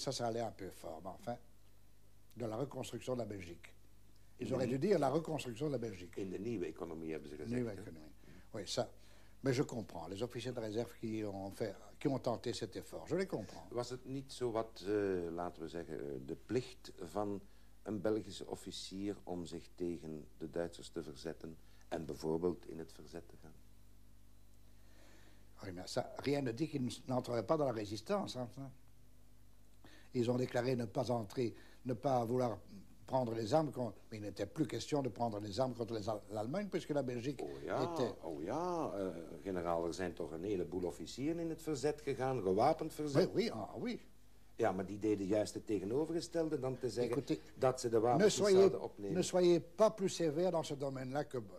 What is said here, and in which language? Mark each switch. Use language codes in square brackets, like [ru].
[fr] Ça allait un peu fort, mais enfin, de la reconstruction de la Belgique. Ils auraient dû dire la reconstruction de la Belgique. Et de nouvelle économie, vous avez dit. Nouvelle économie, oui, ça. Mais je comprends, les officiers de réserve qui ont tenté cet effort, je les comprends. [nl] Was het niet zo wat, laten we zeggen, de plicht van een Belgische officier om zich tegen de Duitsers te verzetten en bijvoorbeeld in het verzet te gaan? [fr] Oui, mais ça, rien ne dit qu'ils n'entreraient pas dans la résistance. Hein. Ils ont déclaré ne pas entrer, ne pas vouloir prendre les armes contre... Mais il n'était plus question de prendre les armes contre l'Allemagne, puisque la Belgique était... [nl] Oh ja, général, er zijn toch een heleboel officieren in het verzet gegaan, gewapend verzet. [fr] Oui. [nl] Ja, maar die deden juist het tegenovergestelde dan te zeggen... Écoutez, dat ze de wapens zouden opnemen. [fr] Ne soyez pas plus sévère dans ce domaine-là que...